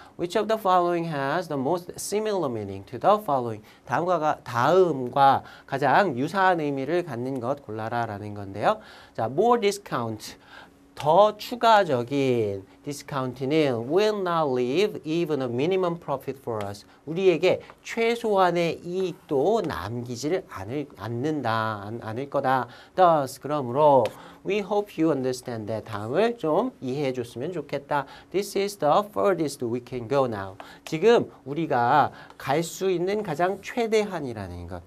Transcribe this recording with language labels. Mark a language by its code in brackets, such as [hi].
[en] Which of the following has the most similar meaning to the following? [ko] 다음과 가장 유사한 의미를 갖는 것 골라라라는 건데요. [en] 자, more discount. [ko] 더 추가적인 [en] discount는 will not leave even a minimum profit for us. [ko] 우리에게 최소한의 이익도 남기지를 않을 거다. [en] Thus, [ko] 그러므로 [en] we hope you understand that [ko] 다음을 좀 이해해 줬으면 좋겠다. [en] This is the furthest we can go now. [ko] 지금 우리가 갈 수 있는 가장 최대한이라는 것.